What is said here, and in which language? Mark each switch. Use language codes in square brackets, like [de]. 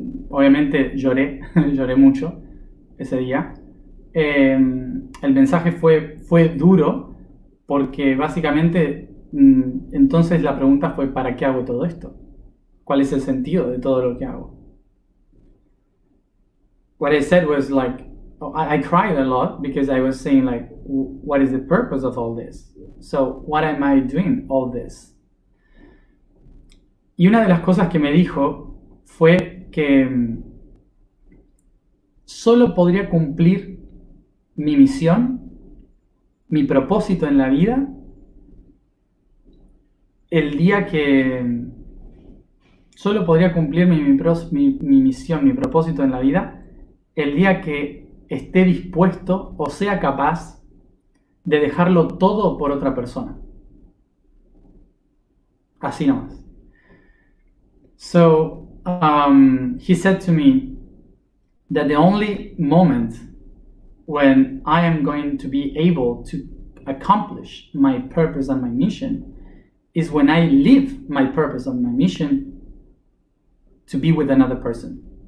[es] Obviamente lloré, lloré mucho ese día. El mensaje fue duro porque básicamente entonces la pregunta fue, ¿para qué hago todo esto? ¿Cuál es el sentido de todo lo que hago? [en] What I said was like, I cried a lot because I was saying like, what is the purpose of all this? So what am I doing all this? [es] Y una de las cosas que me dijo fue que solo podría cumplir mi misión, mi propósito en la vida, el día que solo podría cumplir mi misión, mi propósito en la vida, el día que esté dispuesto o sea capaz de dejarlo todo por otra persona. Así nomás. [en] So, he said to me that the only moment when I am going to be able to accomplish my purpose and my mission is when I leave my purpose and my mission to be with another person.